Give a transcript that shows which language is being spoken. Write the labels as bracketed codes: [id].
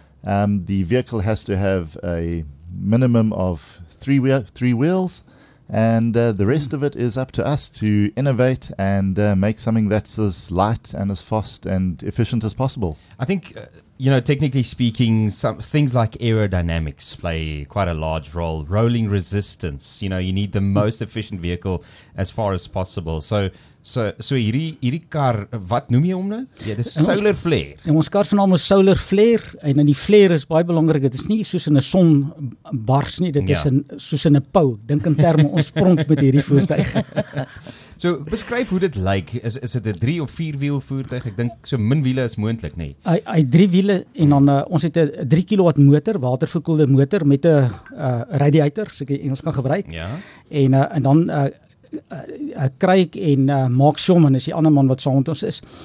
[en] The vehicle has to have a minimum of three wheels, and the rest of it is up to us to innovate and make something that's as light and as fast and efficient as possible. I think, you know, technically speaking, some things like aerodynamics play quite a large role. Rolling resistance, you know, you need the most efficient vehicle as far as possible. [af] So hierdie kar, wat noem jy hom nou? Ja, dis solar flare. En ons kar se naam is Solar Flare, en in die flare is baie belangrik. Dit is nie soos in 'n son bars nie, dit is soos in 'n pou. Dink in terme, ons pronk met hierdie voertuig. So, beskryf hoe dit lyk. Is dit 'n 3 of 4 wiel voertuig? Ek dink so min wiele is moontlik, nê. Hy 3 wiele en dan ons het 'n 3 kW motor, waterverkoelde motor met 'n radiator, so jy Engels kan gebruik. Ja. En dan Craig en Mark Schumann is die ander man wat saam met ons is.